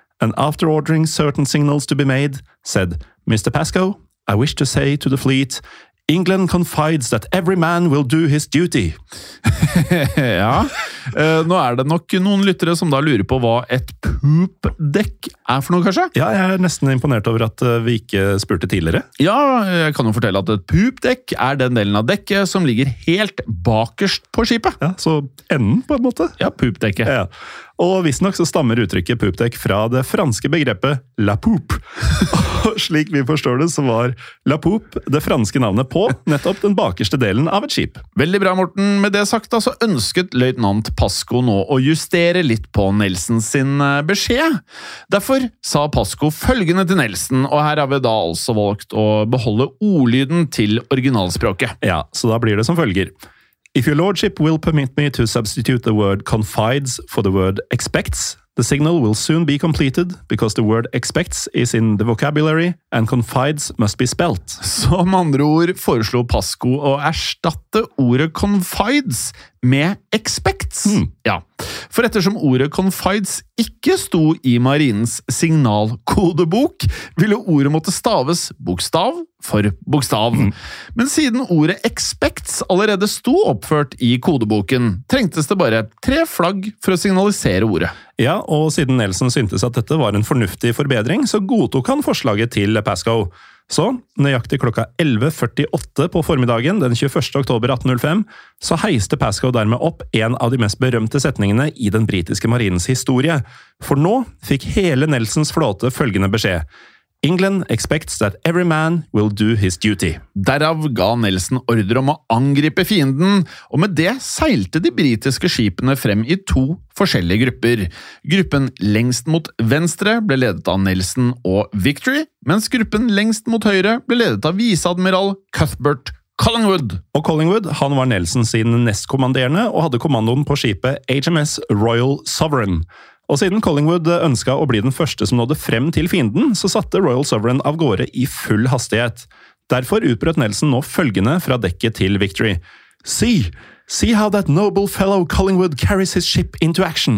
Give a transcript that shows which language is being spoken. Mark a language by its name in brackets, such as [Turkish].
[English] and after ordering certain signals to be made, said, Mr. Pascoe, I wish to say to the fleet, England confides that every man will do his duty. [Norwegian] Ja, nå det nok noen lyttere som da lurer på hva et poop-dekk for noe, kanskje? Ja, jeg nesten imponert over at vi ikke spurte tidligere. Ja, jeg kan jo fortelle at et poop-dekk den delen av dekket som ligger helt bakerst på skipet. Ja, så enden på en måte. Ja, poop-dekket. Ja, ja. Og visst nok så stammer uttrykket poop-dekk fra det franske begreppet la poop. Slik vi forstår det, så var la poop det franske navnet på nettopp den bakerste delen av et skip. Veldig bra, Morten. Med det sagt, så ønsket løytnant Pascoe nå å justere litt på Nelson sin beskjed. Derfor sa Pascoe følgende til Nelson, og her har vi da altså valgt å beholde ordlyden til originalspråket. Ja, så da blir det som følger. [English] If your lordship will permit me to substitute the word confides for the word expects, the signal will soon be completed, because the word expects is in the vocabulary, and confides must be spelt. [Norwegian] Så med andre ord foreslo Pascoe å erstatte ordet confides med expects. Mm. Ja, for ettersom ordet confides ikke sto i marinens signalkodebok, ville ordet måtte staves bokstav for bokstav. Mm. Men siden ordet expects allerede sto oppført i kodeboken, trengtes det bare tre flagg for å signalisere ordet. Ja, og siden Nelson syntes at dette var en fornuftig forbedring, så godtok han forslaget til Pascoe. Så, nøyaktig klokka 11.48 på formiddagen den 21. oktober 1805, så heiste Pascoe dermed opp en av de mest berømte setningene i den britiske marinens historie. For nå fikk hele Nelsons flåte følgende beskjed. [English] England expects that every man will do his duty. [Norwegian] Derav ga Nelson ordre om å angripe fienden, og med det seilte de britiske skipene frem i to forskjellige grupper. Gruppen lengst mot venstre ble ledet av Nelson og Victory, mens gruppen lengst mot høyre ble ledet av viceadmiral Cuthbert Collingwood. Og Collingwood, han var Nelson sin nestkommanderende og hadde kommandoen på skipet HMS Royal Sovereign. Og siden Collingwood ønsket å bli den første som nådde frem til fienden, så satte Royal Sovereign av gårde i full hastighet. Derfor utbrøt Nelson nå følgende fra dekket til Victory. [English] «See! See how that noble fellow Collingwood carries his ship into action!»